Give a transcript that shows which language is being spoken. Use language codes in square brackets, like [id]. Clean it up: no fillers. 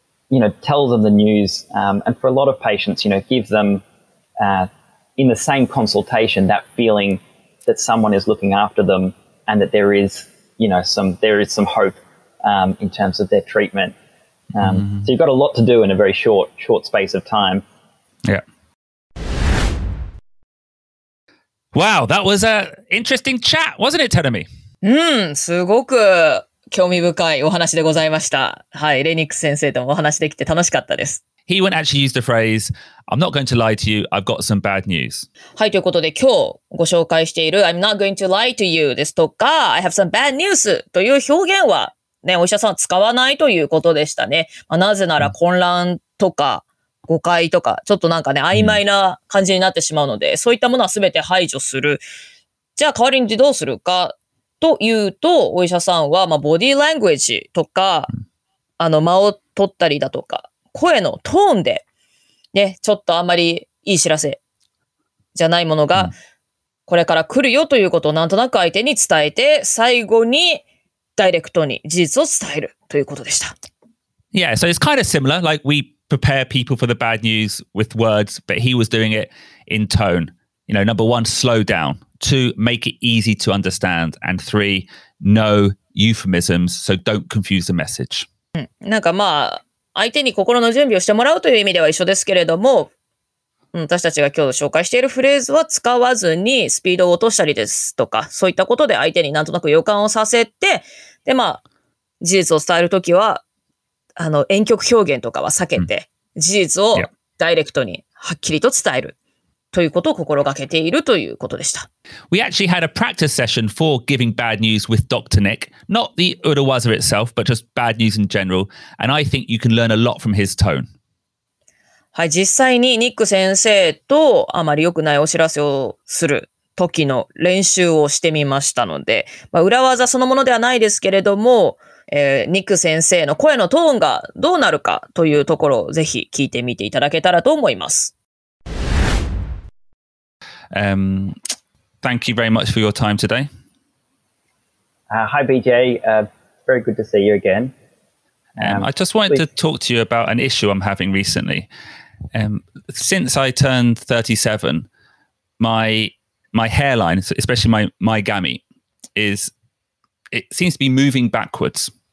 [en] you know, tell them the news, and for a lot of patients, you know, give them in the same consultation that feeling that someone is looking after them and that there is, you know, some hope in terms of their treatment. So you've got a lot to do in a very short space of time. Yeah. Wow, that was an interesting chat, wasn't it, Tadami? [ja] すごく興味深いお話でございました。はい、レニックス先生ともお話できて楽しかったです。 [en] He wouldn't actually use the phrase, I'm not going to lie to you, I've got some bad news. [ja] はい、ということで今日ご紹介している [en] I'm not going to lie to you [ja] ですとか [en] I have some bad news [ja] という表現はね、お医者さん使わないということでしたね。まあ、なぜなら混乱とか誤解とかちょっとなんかね、曖昧な感じになってしまうので、そういったものは全て排除する。じゃあ代わりにどうするかというと、お医者さんは、まあ、ボディーラングエッジとか、あの、間を取ったりだとか、声のトーンで、ね、ちょっとあまりいい知らせじゃないものが、これから来るよということをなんとなく相手に伝えて、最後にダイレクトに事実を伝えるということでした。 [en] Yeah, so it's kind of similar. Like we prepare people for the bad news with words, but he was doing it in tone. You know, number one, slow down. Two, make it easy to understand. And three, no euphemisms. So don't confuse the message. [ja] なんかまあ相手に心の準備をしてもらうという意味では一緒ですけれども、私たちが今日紹介しているフレーズは使わずにスピードを落としたりですとか、そういったことで相手になんとなく予感をさせて、でまあ事実を伝えるときは、あの婉曲表現とかは避けて、事実をダイレクトにはっきりと伝えるということを心がけているということでした。 [en] We actually had a practice session for giving bad news with Dr. Nick, not the Urawaza itself, but just bad news in general, and I think you can learn a lot from his tone. [ja] はい、実際にニック先生とあまり良くないお知らせをする時の練習をしてみましたので、まあ、裏技そのものではないですけれども、ニック先生の声のトーンがどうなるかというところをぜひ聞いてみていただけたらと思います。 [en] Thank you very much for your time today. Hi BJ, very good to see you again. I just wanted to talk to you about an issue I'm having recently. Since I turned 37, my hairline, especially my gami, it seems to be moving backwards.